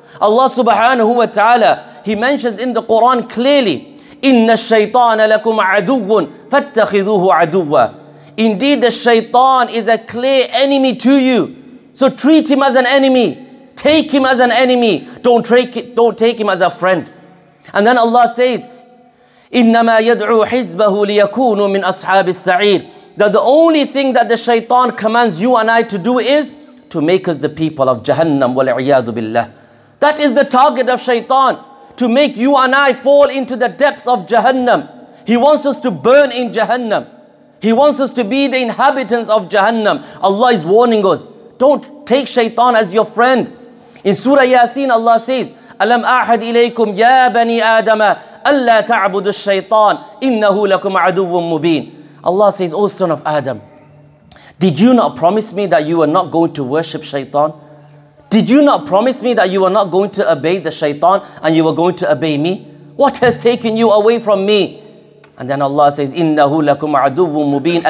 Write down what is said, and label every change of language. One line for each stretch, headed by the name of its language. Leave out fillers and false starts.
English: Allah subhanahu wa ta'ala, He mentions in the Quran clearly,
Arabic: إِنَّ الشَّيْطَانَ لَكُمْ عَدُوٌ فَاتَّخِذُوهُ عَدُوًّا.
English: Indeed, the shaitan is a clear enemy to you. So treat him as an enemy. Take him as an enemy. Don't take him as a friend. And then Allah says,
Arabic: إِنَّمَا يَدْعُوا حِزْبَهُ لِيَكُونُوا مِنْ أَصْحَابِ السَّعِيرِ.
English: That the only thing that the shaitan commands you and I to do is to make us the people of Jahannam
Arabic: وَالْعِيَاذُ بِاللَّهِ.
English: That is the target of shaitan, to make you and I fall into the depths of Jahannam. He wants us to burn in Jahannam. He wants us to be the inhabitants of Jahannam. Allah is warning us, don't take shaitan as your friend. In Surah Yasin, Allah says,
Arabic: أَلَمْ أَعْهَدْ إِلَيْكُمْ يَا بَنِي آدَمَا أَلَّا تَعْبُدُ الشَّيْطَانِ إِنَّهُ لَكُمْ عَدُوٌ مُّبِينٌ.
English: Allah says, O son of Adam, did you not promise me that you are not going to worship shaitan? Did you not promise me that you are not going to obey the shaitan and you are going to obey me? What has taken you away from me? And then Allah says,
Arabic: إِنَّهُ لَكُمْ عَدُوٌ مُّبِينٌ.